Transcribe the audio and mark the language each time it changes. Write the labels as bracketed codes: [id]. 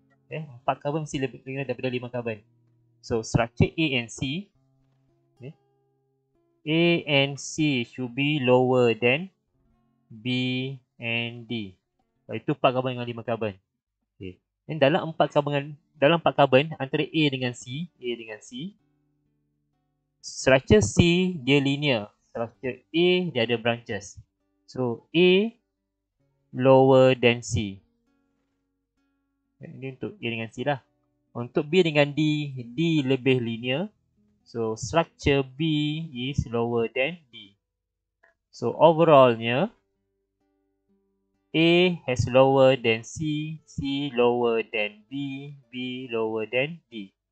[ms] Eh, 4 carbon mesti lebih rendah daripada 5 carbon. [en] So, structure A and C. Okay. A and C should be lower than B and D. [ms] So, itu 4 carbon dengan 5 carbon. Okay. Then, dalam 4 carbon, dalam 4 carbon antara A dengan C, structure C dia linear. [en] Structure A dia ada branches. So, A lower than C. [ms] Ini untuk A dengan C lah. Untuk B dengan D, D lebih linear. [en] So, structure B is lower than D. So, overallnya, A has lower than C, C lower than B, B lower than D.